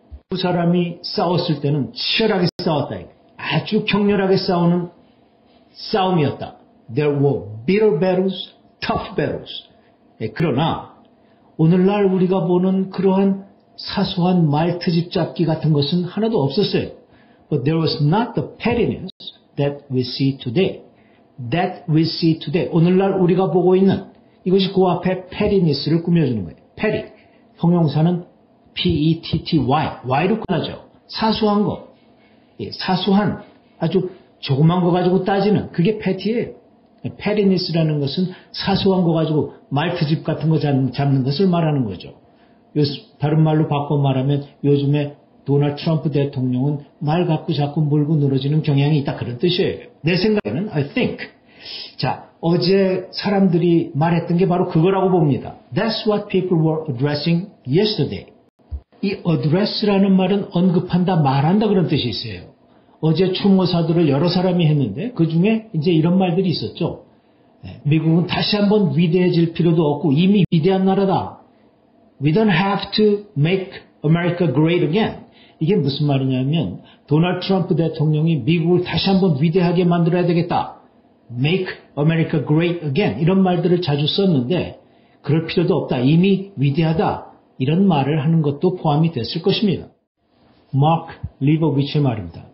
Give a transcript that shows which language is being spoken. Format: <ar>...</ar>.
<ko>두 사람이 싸웠을 때는 치열하게 싸웠다. 아주 격렬하게 싸우는 싸움이었다.</ko> <en>There were bitter battles, tough battles.</en> <ko>그러나 오늘날 우리가 보는 그러한 사소한 말트집 잡기 같은 것은 하나도 없었어요.</ko> <en>But there was not the pettiness that we see today. That we see today.</en> <ko>오늘날 우리가 보고 있는 이것이 그 앞에 pettiness를 꾸며주는 거예요. petty. 형용사는 P-E-T-T-Y. Y로 끝나죠. 사소한 거. 예, 사소한 아주 조그만 거 가지고 따지는 그게 petty예요. pettiness라는 것은 사소한 거 가지고 말트집 같은 거 잡는 것을 말하는 거죠. 다른 말로 바꿔 말하면 요즘에 도널드 트럼프 대통령은 말 갖고 자꾸 물고 늘어지는 경향이 있다. 그런 뜻이에요. 내 생각에는</ko> <en>I think.</en> <ko>자, 어제 사람들이 말했던 게 바로 그거라고 봅니다.</ko> <en>That's what people were addressing yesterday.</en> <ko>이 address라는 말은 언급한다, 말한다 그런 뜻이 있어요. 어제 추모사들을 여러 사람이 했는데 그중에 이제 이런 말들이 있었죠. 미국은 다시 한번 위대해질 필요도 없고 이미 위대한 나라다.</ko> <en>We don't have to make America great again.</en> <ko>이게 무슨 말이냐면 도널드 트럼프 대통령이 미국을 다시 한번 위대하게 만들어야 되겠다.</ko> <en>Make America great again.</en> <ko>이런 말들을 자주 썼는데 그럴 필요도 없다. 이미 위대하다. 이런 말을 하는 것도 포함이 됐을 것입니다. 마크 리버비치의 말입니다.</ko>